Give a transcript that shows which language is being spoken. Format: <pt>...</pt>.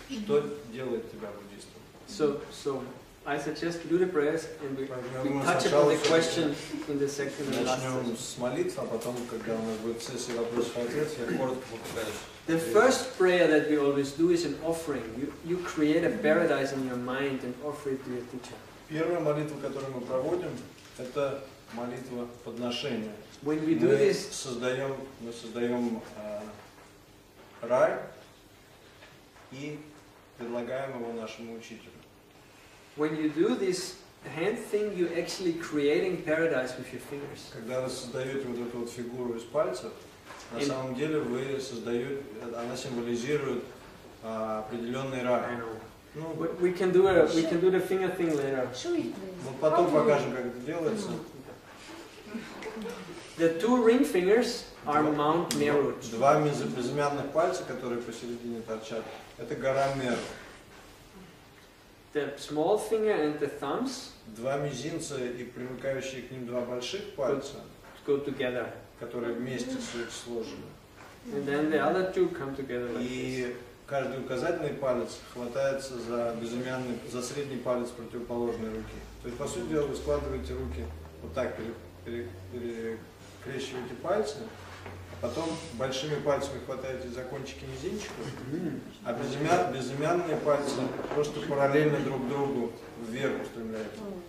<ru>Что делает тебя буддистом?</ru> <en>So I suggest to do the prayers and we touch upon the question in the second and last session.</en> <ru>Начнем с молитв, а потом, когда у нас будет сессия вопросов-ответов, я коротко покажу.</ru> <en>The first prayer that we always do is an offering. You create a paradise in your mind and offer it to your teacher.</en> <ru>Первая молитва, которую мы проводим, это молитва подношения.</ru> <en>When we do this,</en> <ru>мы создаем рай и предлагаем его нашему учителю.</ru> <en>When you do this hand thing, you're actually creating paradise with your fingers.</en> <ru>Когда вы создаете вот эту вот фигуру из пальцев, на самом деле вы создаете, она символизирует определенный рай.</ru> <en>Ну, we can do the finger thing later.</en> <ru>Мы потом покажем, как это делается.</ru> <en>The two ring fingers are Mount Meru.</en> <ru>Два безымянных пальца, которые посередине торчат, это гора Меру.</ru> <en>The small finger and the thumbs.</en> <ru>Два мизинца и примыкающие к ним два больших пальца.</ru> <en>Go together.</en> <ru>Которые вместе сложены.</ru> <en>And then the other two come together like this.</en> <ru>И каждый указательный палец хватается за безымянный, за средний палец противоположной руки. То есть по сути дела вы складываете руки вот так перекрещиваете пальцы, а потом большими пальцами хватаете за кончики мизинчиков, а безымянные пальцы просто параллельно друг другу вверх устремляете.</ru>